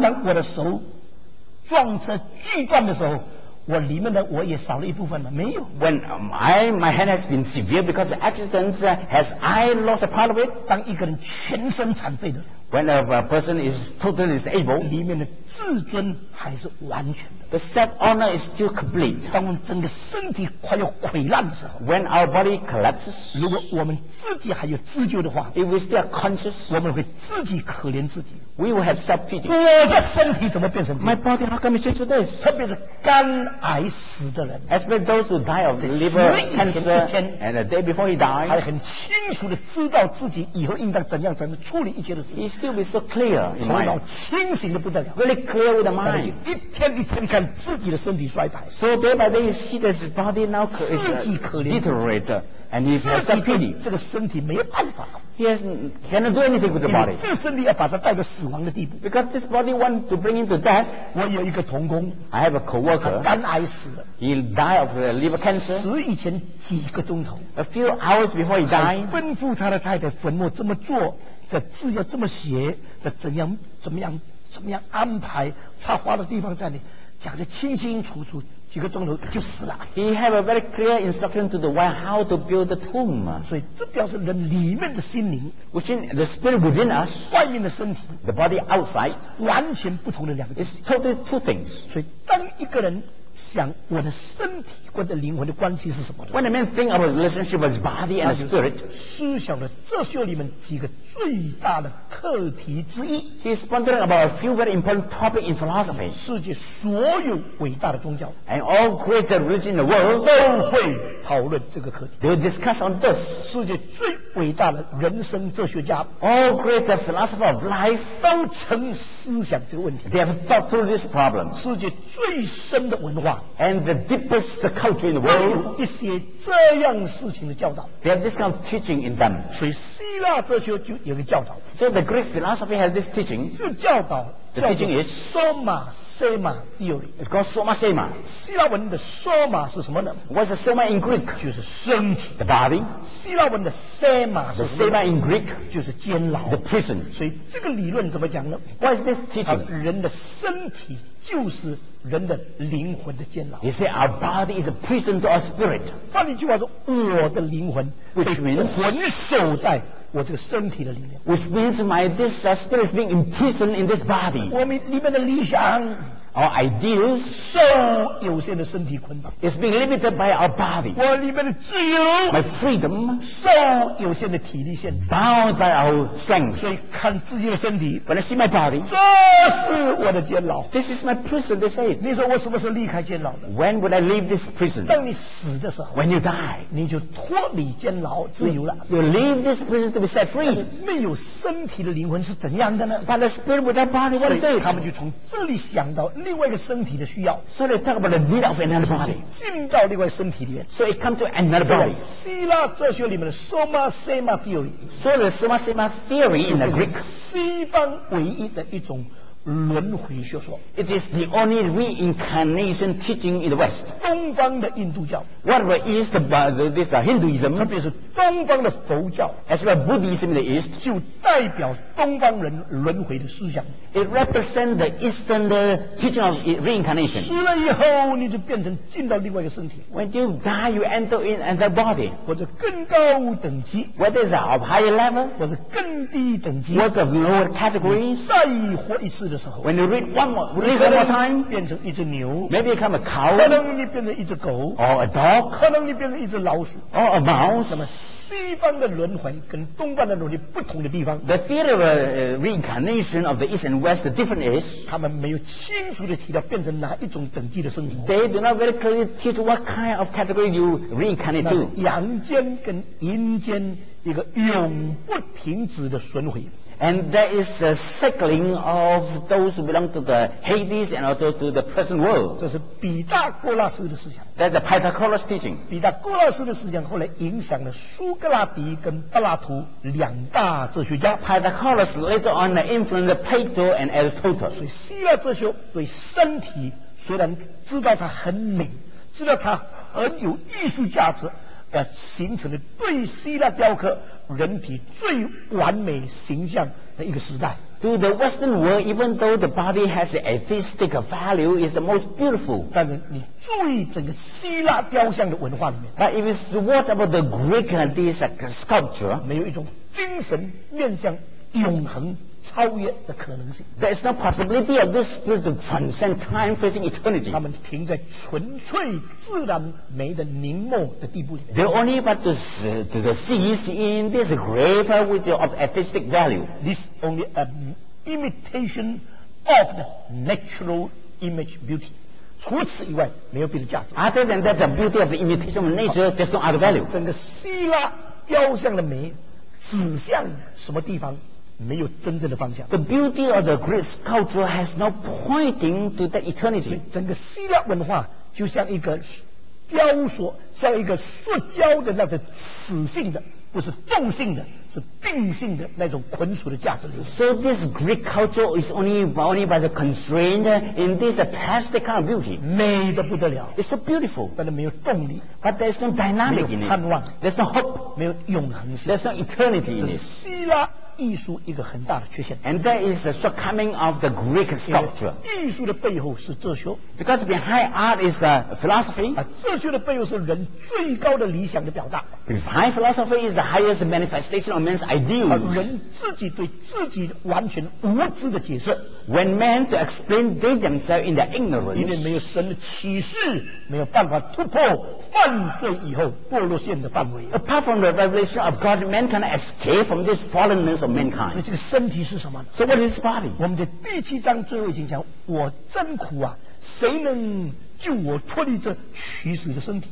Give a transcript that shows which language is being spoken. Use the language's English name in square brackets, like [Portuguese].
[Chinese] 当我的手撞成巨段的时候。我里面的我也少了一部分了，没有。 [English] When my hand has been severe because of accidents, has I lost a part of it? [Chinese] 当一个人全身残废的。 [English] When a person is totally disabled, [Chinese] 里面的自尊还是完全的。 [English] The self honor is still complete. [Chinese] 当我们整个身体快要溃烂的时候。 [English] When our body collapses, [Chinese] 如果我们自己还有自救的话。 [English] If we still are conscious, [Chinese] 我们会自己可怜自己。 [English] We will have self-pity. [Chinese] 我的身体怎么变成这样？ [English] My body, how can we change this? [Chinese] 特别是肝癌死的人。 [English] Especially those who die of liver cancer. And the day before he died. [Chinese] 还很清楚地知道自己以后应当怎样才能处理一切的事。 [English] He still be so clear in mind. [Chinese] 头脑清醒得不得了。 [English] Really clear with the mind. [Chinese] 但是一天一天看自己的身体衰败。 [English] So day by day, he sees that his body now is deteriorated. And he has self-pity. [Chinese] 这个身体没有办法。 [English] He cannot do anything with the body. [Chinese] 因为自身你要把它带到死亡的地步。 [English] Because this body wants to bring him to death. [Chinese] 我有一个同工。 [English] I have a co-worker. [Chinese] 他肝癌死了。 [English] He died of liver cancer. [Chinese] 死以前几个钟头。 [English] A few hours before he died. [Chinese] 吩咐他的太太坟墓这么做，这字要这么写，这怎么样安排，插花的地方在哪，讲得清清楚楚。几个钟头就死了。 [English] He have a very clear instruction to the wife how to build the tomb. [Chinese] 所以这表示人里面的心灵， [English] which is the spirit within us, [Chinese] 外面的身体， [English] the body outside, [Chinese] 完全不同的两个。 [English] It's totally two things. [Chinese] 所以当一个人想我的身体或者灵魂的关系是什么的， [English] when a man think about the relationship of his body and spirit, [Chinese] 思想的哲学里面几个最大的课题之一， [English] he's pondering about a few very important topics in philosophy. [Chinese] 世界所有伟大的宗教， [English] and all great religions in the world, [Chinese] 都会讨论这个课题， [English] they'll discuss on this. [Chinese] 世界最伟大的人生哲学家， [English] all great philosophers of life, [Chinese] 都曾思想这个问题， [English] they have thought through this problem. [Chinese] 世界最深的文化， [English] and the deepest culture in the world, [Chinese] 有一些这样事情的教导， [English] they have this kind of teaching in them. [Chinese] 所以希腊哲学就有个教导。 [English] So the Greek philosophy has this teaching. [Chinese] 这教导 [English] The teaching is Soma Sema Theory. It's called Soma Sema. [Chinese] 希腊文的 Soma 是什么呢？ [English] What's the Soma in Greek? [Chinese] 就是身体。 [English] The body. [Chinese] 希腊文的 Sema 是什么？ [English] The Sema in Greek. [Chinese] 就是监牢。 [English] The prison. [Chinese] 所以这个理论怎么讲呢？ [English] What is this teaching? [Chinese] 人的身体就是人的灵魂的监牢。 [English] He said our body is a prison to our spirit. [Chinese] 换一句话说，我的灵魂被魂守在我这个身体的里面。 [English] Which means my this spirit is being imprisoned in this body. [Chinese] 我们里面的理想， [English] our ideals, [Chinese] 受有限的身体捆绑 [English] is being limited by our body. [Chinese] 我里面的自由 [English] my freedom, [Chinese] 受有限的体力限制 [English] bound by our strength. [Chinese] 所以看自己的身体 [English] when I see my body, [Chinese] 这是我的监牢 [English] this is my prison, they say. [Chinese] 你说我什么时候离开监牢呢 [English] when would I leave this prison? [Chinese] 当你死的时候 [English] when you die, [Chinese] 你就脱离监牢自由了 [English] you leave this prison to be set free. [Chinese] 没有身体的灵魂是怎样的呢 [English] but the spirit with that body, what is it? [Chinese] 他们就从这里想到另外一个身体的需要 [English] so they talk about the need of another body [Chinese] 进到另外身体里面 [English] so it comes to another body [Chinese] 希腊哲学里面的 soma sema theory [English] so the soma sema theory in the Greek [Chinese] 西方唯一的一种轮回学说 [English] it is the only reincarnation teaching in the West [Chinese] 东方的印度教 [English] whatever is Hinduism [Chinese] 特别是东方的佛教 [English] as well Buddhism in the East [Chinese] 就代表东方人轮回的思想 [English] it represents the Eastern the teaching of reincarnation [Chinese] 死了以后你就变成进到另外一个身体 [English] when you die you enter in another body [Chinese] 或者更高等级 [English] whether it's of higher level [Chinese] 或者更低等级 [English] what of lower categories [Chinese] 再活一次 [English] When you read one more time, [Chinese] 变成一只牛 [English] maybe become a cow, [Chinese] 可能你变成一只狗 [English] or a dog, [Chinese] 可能你变成一只老鼠 [English] or a mouse. [Chinese] 那么西方的轮回跟东方的轮回不同的地方 [English] the theory of reincarnation of the East and West the difference is, [Chinese] 他们没有清楚地提到变成哪一种等级的身体 [English] They do not very clearly teach what kind of category you reincarnate to. [Chinese] 阳间跟阴间一个永不停止的轮回。 [English] And that is the cycling of those who belong to the Hades and also to the present world. [Chinese] 这是毕达哥拉斯的思想。 [English] That's the Pythagoras teaching. [Chinese] 毕达哥拉斯的思想后来影响了苏格拉底跟柏拉图两大哲学家。 [English] Pythagoras later on influenced Plato and Aristotle. [Chinese] 所以希腊哲学对身体虽然知道它很美，知道它很有艺术价值。形成了对希腊雕刻人体最完美形象的一个时代 [English] To the Western world, even though the body has an artistic value, is the most beautiful [Chinese] 但是你注意整个希腊雕像的文化里面 [English] But if you watch about the Greek and this sculpture [Chinese] 没有一种精神面向永恒超越的可能性 [English] There is no possibility of this spirit to transcend time facing eternity [Chinese] 他们停在纯粹自然美的凝默的地步里面 [English] They only but to the cease in this greater which of artistic value This only an imitation of the natural image beauty [Chinese] 除此以外没有别的价值 [English] Other than that the beauty of the imitation of nature there's no other value [Chinese] 整个希腊雕像的美指向什么地方没有真正的方向 [English] The beauty of the Greek sculpture has no pointing to the eternity [Chinese] 整个希腊文化就像一个雕塑像一个塑胶的那种死性的不是动性的是定性的那种捆锁的价值 [English] So this Greek culture is only by the constraint in this plastic kind of beauty [Chinese] 美得不得了 [English] It's so beautiful [Chinese] 但是没有动力 [English] But there's no dynamic in it [Chinese] 没有盼望 [English] There's no hope [Chinese] 没有永恒性 [English] There's no eternity in it [Chinese] 这是希腊艺术一个很大的缺陷 [English] And that is the shortcoming of the Greek sculpture [Chinese] 艺术的背后是哲学 [English] Because behind art is the philosophy [Chinese] 哲学的背后是人最高的理想的表达 [English] Behind philosophy is the highest manifestation of man's ideals [Chinese] 人自己对自己完全无知的解释 [English] When men to explain themselves in their ignorance [Chinese] 因为没有神的启示没有办法突破犯罪以后堕落陷的范围 [English] Apart from the revelation of God man cannot escape from this fallenness of mankind [Chinese] 这个身体是什么呢 [English] So what is body [Chinese] 我们的第七章最后已经讲我真苦啊谁能救我脱离这取死的身体